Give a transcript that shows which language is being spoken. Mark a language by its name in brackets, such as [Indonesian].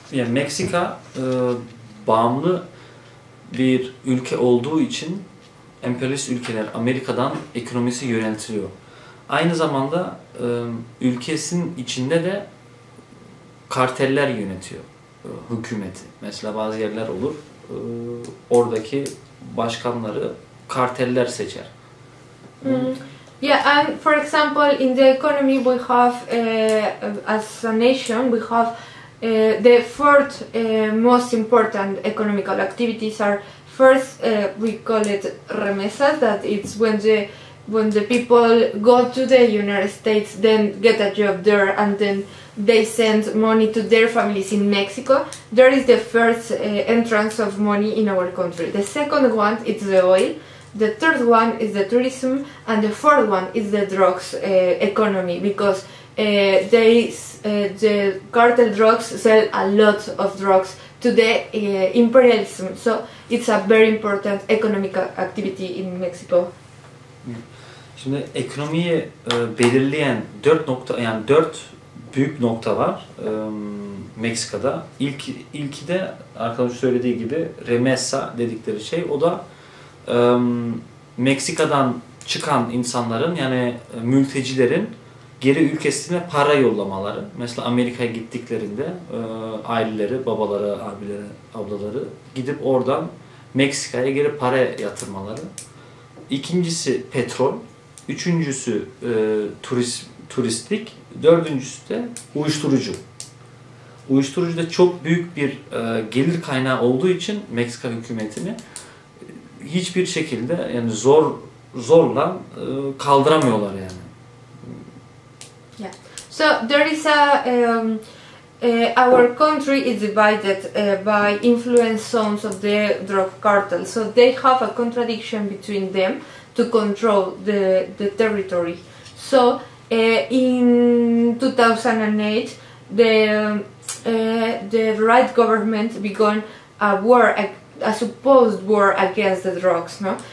[Turkish] Mexico bağımlı bir ülke olduğu için emperyalist ülkeler Amerika'dan ekonomisi yönetiliyor. Aynı zamanda ülkesinin içinde de karteller yönetiyor hükümeti. Mesela bazı yerler olur, oradaki başkanları karteller seçer. [English] Yeah, and for example, in the economy we have as a nation we have the fourth most important economical activities are first we call it remesas, that it's when the people go to the United States, then get a job there, and then they send money to their families in Mexico. There is the first entrance of money in our country. The second one is the oil. The third one is the tourism, and the fourth one is the drugs economy, because the cartel drugs sell a lot of drugs to the imperialism. So it's a very important economic activity in Mexico. [Turkish] Şimdi ekonomiyi belirleyen dört büyük nokta var Meksika'da. İlki de arkadaş söylediği gibi remesa dedikleri şey, o da Meksika'dan çıkan insanların, yani mültecilerin geri ülkesine para yollamaları. Mesela Amerika'ya gittiklerinde aileleri, babaları, abileri, ablaları gidip oradan Meksika'ya geri para yatırmaları. İkincisi petrol, üçüncüsü turistik, dördüncüsü de uyuşturucu. Uyuşturucu da çok büyük bir gelir kaynağı olduğu için Meksika hükümetini hiçbir şekilde, yani zorla kaldıramıyorlar yani. [English] Yeah. So there is a our country is divided by influence zones of the drug cartel. So they have a contradiction between them to control the territory. So in 2008 the right government began a supposed war against the drugs, no?